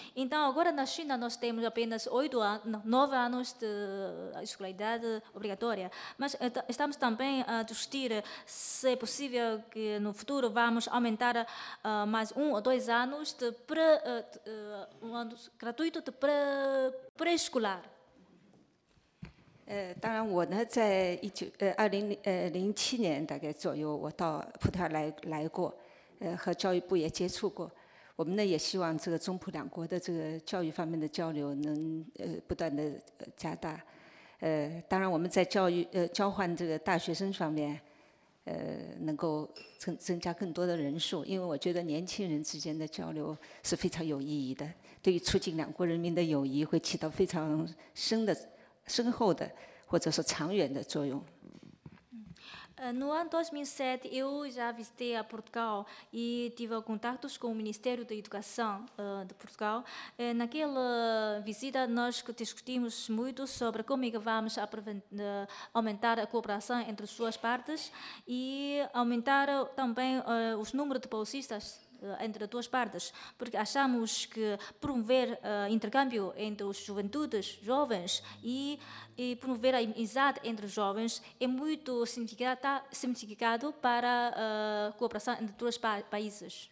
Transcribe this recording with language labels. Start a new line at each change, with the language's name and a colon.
Portuguese: Então, agora na China nós temos apenas 9 anos de escolaridade obrigatória. Mas estamos também a discutir se é possível que no futuro vamos aumentar mais 1 ou 2 anos de um ano gratuito de pré-escolar.
Chinese: 当然我呢在2007年大概左右我到葡萄牙 来过，和教育部也接触过，我们呢也希望这个中葡两国的这个教育方面的交流能不断的加大。当然我们在教育交换这个大学生方面能够增加更多的人数，因为我觉得年轻人之间的交流是非常有意义的，对于促进两国人民的友谊会起到非常深厚的或者是长远的作用。
Portuguese: No ano 2007, eu já visitei a Portugal e tive contatos com o Ministério da Educação de Portugal. Naquela visita, nós discutimos muito sobre como é que vamos aumentar a cooperação entre as suas partes e aumentar também os números de bolsistas entre as duas partes, porque achamos que promover intercâmbio entre os juventudes jovens e promover a amizade entre os jovens é muito significado para a cooperação entre os dois países.